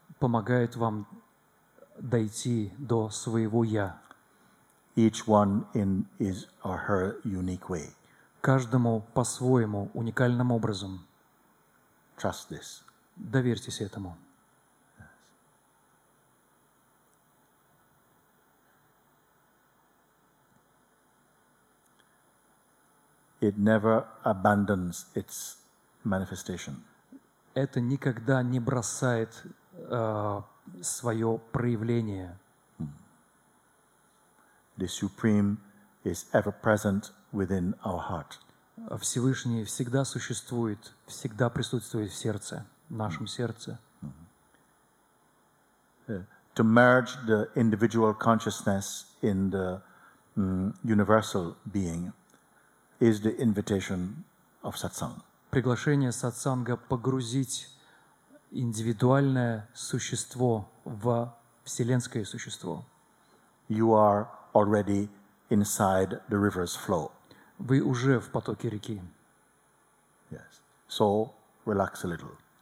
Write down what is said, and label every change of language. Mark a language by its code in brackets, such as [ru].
[ru] Помогает вам дойти до своего «я». [en] Each one in his or her unique way. [ru] Каждому по-своему, уникальным образом. [en] Trust this. [ru] Доверьтесь этому. Yes. [en] It never abandons its manifestation. [ru] Это никогда не бросает свое проявление. [en] The Supreme is ever present within our heart. [ru] Всевышний всегда существует, всегда присутствует в сердце, в нашем сердце. [en] To merge the individual consciousness in the universal being is the invitation of satsang. [ru] Приглашение сатсанга погрузить индивидуальное существо во вселенское существо. [en] You are already inside the river's flow. [ru] Вы уже в потоке реки. [en] Yes. So relax a little.